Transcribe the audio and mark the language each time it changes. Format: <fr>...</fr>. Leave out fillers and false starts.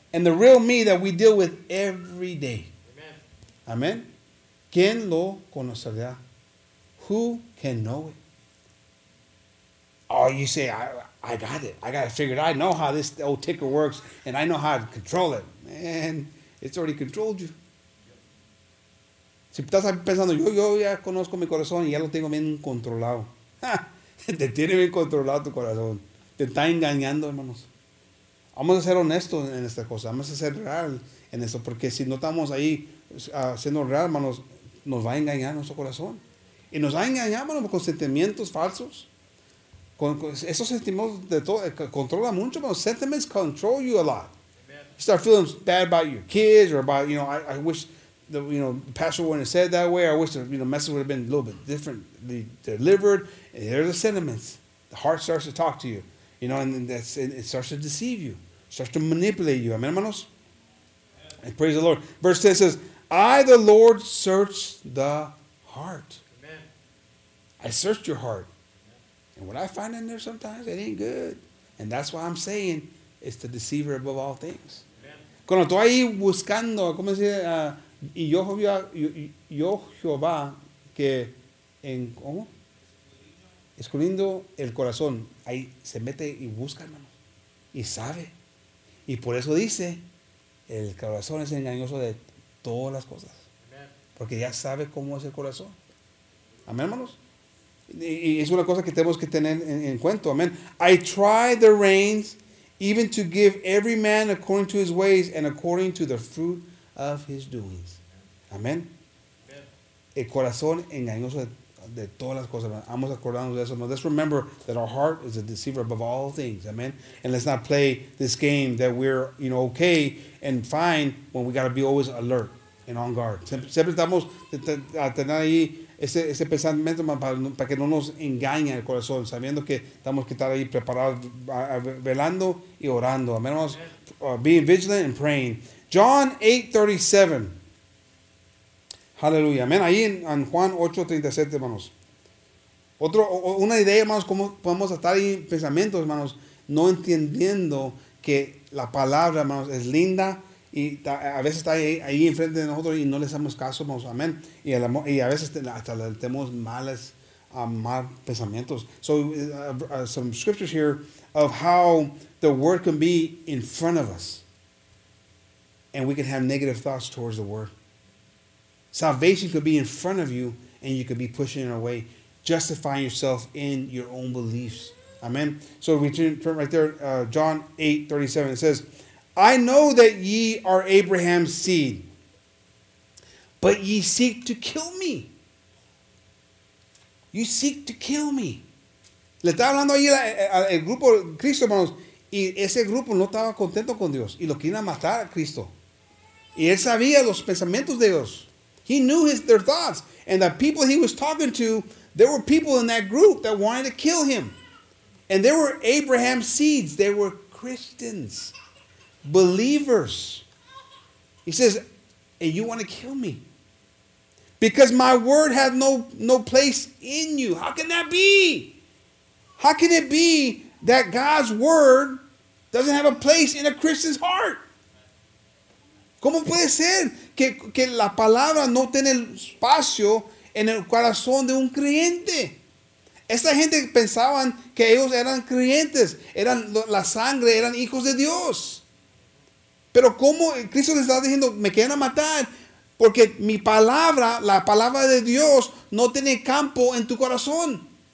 <en>And the real me that we deal with every day. Amen.</en> <es>¿Quién lo conocerá?</es> <en>Who can know it? Oh, you say, I got it. I got it figured. I know how this old ticker works, and I know how to control it. Man, it's already controlled you.</en> <es>Si estás pensando, yo ya conozco mi corazón y ya lo tengo bien controlado. Te tiene bien controlado tu corazón. Te está engañando, hermanos. Vamos a ser honestos en esta cosa. Vamos a ser real en esto, porque si no estamos ahí siendo real, hermanos, nos va a engañar nuestro corazón. Y nos va a engañar, hermanos, con sentimientos falsos. Con esos sentimientos de todo, controla mucho, hermanos.</es> <en>Sentiments control you a lot. Amen. You start feeling bad about your kids or about, you know, I wish the, you know, the pastor wouldn't have said that way. I wish the, you know, message would have been a little bit differently delivered. And there are the sentiments. The heart starts to talk to you, you know, and that's, it starts to deceive you, starts to manipulate you. Amen, hermanos. And praise the Lord. Verse 10 says, I, the Lord, search the heart. Amen. I search your heart. Amen. And what I find in there sometimes, it ain't good. And that's why I'm saying it's the deceiver above all things. Amen.</en> <es>Cuando tú ahí buscando, ¿cómo se dice? Y yo Jehová, que en, ¿cómo? Escudriñando el corazón. Ahí se mete y busca, hermano. Y sabe. Y por eso dice, el corazón es engañoso de todas las cosas. Amen. Porque ya sabe cómo es el corazón. Amén, hermanos. Y es una cosa que tenemos que tener en cuenta. Amén.</es> <en>I try the reins even to give every man according to his ways and according to the fruit of his doings. Amén.</en> <es>El corazón engañoso de todas las cosas. Vamos a acordarnos de eso.</es> <en>No, let's remember that our heart is a deceiver above all things. Amen. And let's not play this game that we're, you know, okay and fine when we got to be always alert and on guard.</en> <es>Siempre estamos a tener ahí ese pensamiento para que no nos engañe el corazón, sabiendo que estamos que estar ahí preparados, velando y orando.</es> <en>Amen. Being vigilant and praying. John 8:37. Aleluya. Amén.</en> <es>Ahí en Juan 8:37, hermanos. Una idea, hermanos, cómo podemos estar ahí en pensamientos, hermanos, no entendiendo que la palabra, hermanos, es linda y a veces está ahí enfrente de nosotros y no le hacemos caso, hermanos. Amén. Y a veces hasta le tenemos mal pensamientos.</es> <en>So, some scriptures here of how the word can be in front of us and we can have negative thoughts towards the word. Salvation could be in front of you and you could be pushing it away, justifying yourself in your own beliefs. Amen. So we turn right there, John 8:37. It says, I know that ye are Abraham's seed, but ye seek to kill me. You seek to kill me.</en> <es>Le está hablando ahí al grupo Cristo, hermanos. Y ese grupo no estaba contento con Dios. Y lo quería matar a Cristo. Y él sabía los pensamientos de Dios.</es> <en>He knew their thoughts. And the people he was talking to, there were people in that group that wanted to kill him. And there were Abraham's seeds. They were Christians. Believers. He says, and you want to kill me. Because my word has no place in you. How can that be? How can it be that God's word doesn't have a place in a Christian's heart?</en> <es>¿Cómo puede ser que la palabra no tiene espacio en el corazón de un creyente? Esa gente pensaban que ellos eran creyentes, eran la sangre, eran hijos de Dios. Pero ¿cómo Cristo les está diciendo, me quieren matar? Porque mi palabra, la palabra de Dios, no tiene campo en tu corazón.</es>